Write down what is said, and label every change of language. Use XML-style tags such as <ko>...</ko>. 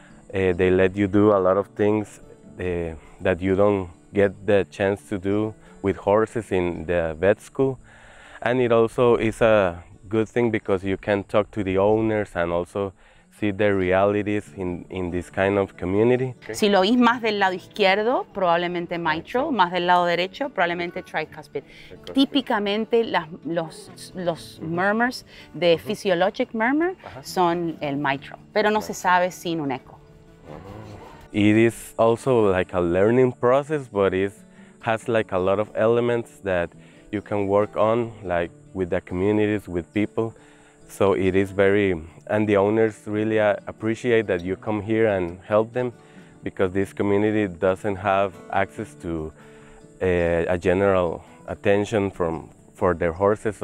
<en>They let you do a lot of things that you don't get the chance to do with horses in the vet school. And it also is a good thing because you can talk to the owners and also see their realities in this kind of community. Okay.</en> <es>Si lo oís más del lado izquierdo, probablemente mitral. Más del lado derecho, probablemente tricuspid. Típicamente, los murmurs de</es> <en>physiologic murmur</en> <es>son el mitral, pero no se sabe sin un eco.</es> <en>It is also like a learning process, but it has like a lot of elements that you can work on, like with the communities, with people. So it is very, and the owners really appreciate that you come here and help them, because this community doesn't have access to a general attention for their horses.</en>